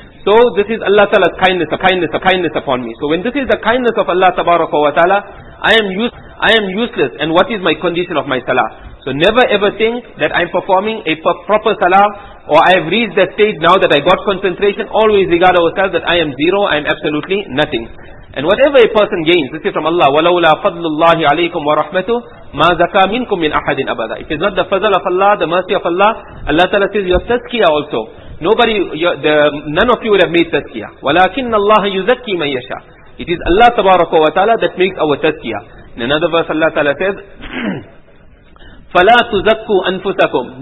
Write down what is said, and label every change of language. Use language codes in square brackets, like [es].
[en] So this is Allah Ta'ala's kindness, a kindness, a kindness upon me. So when this is the kindness of Allah Tabaraka wa Ta'ala, I am useless, and what is my condition of my Salah? So never ever think that I'm performing a proper Salah, or I've reached that stage now that I got concentration. Always regard ourselves that I am zero, I am absolutely nothing. And whatever a person gains, this is from Allah, [ar] وَلَوْلَا فَضْلُ اللَّهِ عَلَيْكُمْ وَرَحْمَتُهُ مَا زَكَى مِنْكُمْ مِنْ أَحَدٍ أَبَدًا. [en] If it's not the fazal of Allah, the mercy of Allah, Allah Ta'ala says, your tazkiyah also. None of you would have made tazkiyah. [ar] وَلَكِنَّ اللَّهَ يُزَكِّي مَنْ يَشَى. [en] It is Allah Tabaraka wa Ta'ala that makes our tazkiyah. In another verse, Allah Ta'ala says, [ar] فَلَا تُزَكُّ أَنفُسَكُمْ.